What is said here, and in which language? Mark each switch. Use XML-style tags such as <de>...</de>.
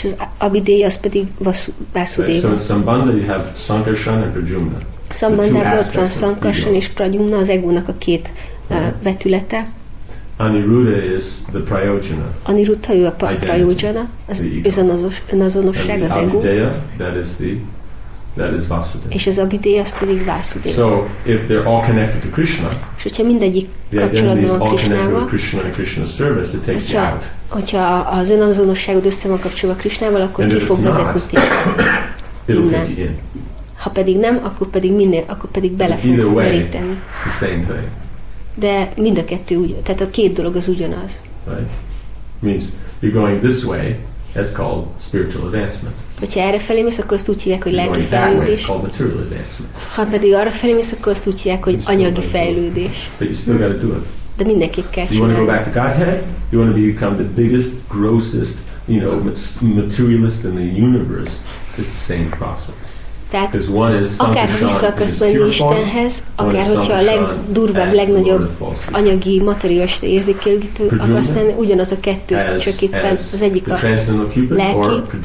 <en>So in Sambandha you have Sankarsan and Prajumna.</en> <hu>Sambandha ott van Sankarsan és Prajumna, az egónak a két vetülete.</hu> <en>Aniruddha is the prayojana.</en> <hu>Aniruddha ő a prayojana, az önazonosság, az ego.</hu> <en>Abhideya, that is Vasudeva.</en> <hu>És az abhideya, az pedig Vasudeva.</hu> <en>So, if they're all connected to Krishna,</en> <hu>és hogyha mindegyik kapcsolatban Krishnával, hogyha az önazonosságod össze van kapcsolva Krishnával, akkor ki fog vezetni téged? Ha pedig nem, akkor pedig minél, akkor pedig bele fog meríteni.</hu> <en>It's the same thing.</en> <hu>De mind a kettő úgy, tehát a két dolog az ugyanaz.</hu> <en>Right. Means you're going this way, that's called spiritual advancement.</en> <hu>Hogyha erre felé mész, akkor azt úgy hívják, hogy lelki fejlődés. Ha pedig arra felé mész, akkor azt úgy hívják, hogy anyagi fejlődés.</hu> <en>But you still gotta do it.</en> <hu>De mindenképp kell csinálni.</hu> <en>You want to go back to Godhead? You want to become the biggest, grossest, you know, materialist in the universe? It's the same process.</en> <hu>Tehát akár ha vissza akarsz menni Istenhez, akár hogyha a legdurvább, legnagyobb anyagi, materiális érzékelőgítő akarsz lenni, ugyanaz a kettő, csak éppen az egyik a lelki.</hu>